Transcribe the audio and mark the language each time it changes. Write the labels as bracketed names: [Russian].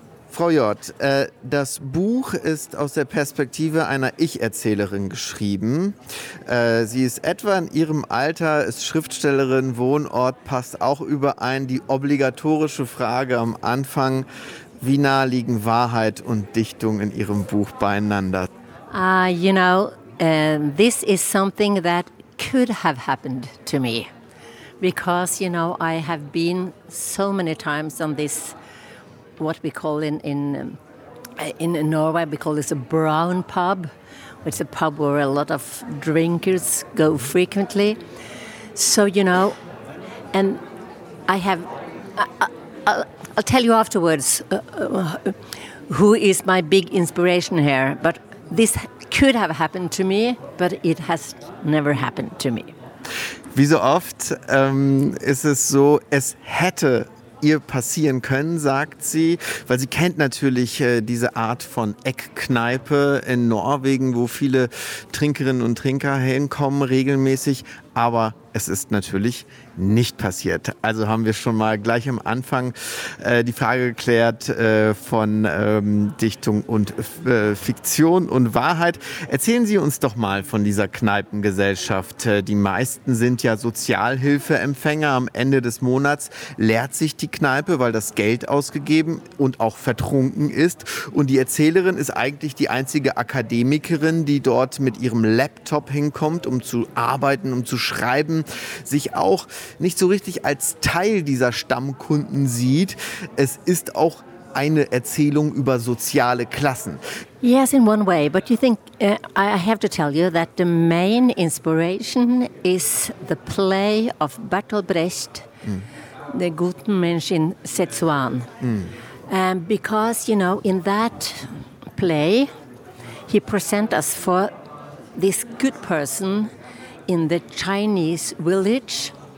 [German] Frau Hjorth, das Buch ist aus der Perspektive einer Ich-Erzählerin geschrieben. Sie ist etwa in ihrem Alter, ist Schriftstellerin, Wohnort passt auch überein. Die obligatorische Frage am Anfang, wie nah liegen Wahrheit und Dichtung in ihrem Buch beieinander? [English] This is something that could have happened to me. Because, you know, I have been so many times on this, what we call in Norway, we call this a brown pub, which is a pub where a lot of drinkers go frequently. So, you know, and I have, I'll tell you afterwards who is my big inspiration here, but this could have happened to me, but it has never happened to me. [German] Wie so oft ist es so, es hätte ihr passieren können, sagt sie, weil sie kennt natürlich diese Art von Eckkneipe in Norwegen, wo viele Trinkerinnen und Trinker hinkommen regelmäßig, aber es ist natürlich nicht passiert. Also haben wir schon mal gleich am Anfang die Frage geklärt von Dichtung und Fiktion und Wahrheit. Erzählen Sie uns doch mal von dieser Kneipengesellschaft. Die meisten sind ja Sozialhilfeempfänger. Am Ende des Monats leert sich die Kneipe, weil das Geld ausgegeben und auch vertrunken ist. Und die Erzählerin ist eigentlich die einzige Akademikerin, die dort mit ihrem Laptop hinkommt, um zu arbeiten, um zu schreiben, sich auch nicht so richtig als Teil dieser Stammkunden sieht. Es ist auch eine Erzählung über soziale Klassen. [English] Yes, in one way, but you think I have to tell you that the main inspiration is the play of Bertolt Brecht, The guten Mensch in Szechuan. Because, you know, in that play he presents us for this good person in the Chinese village.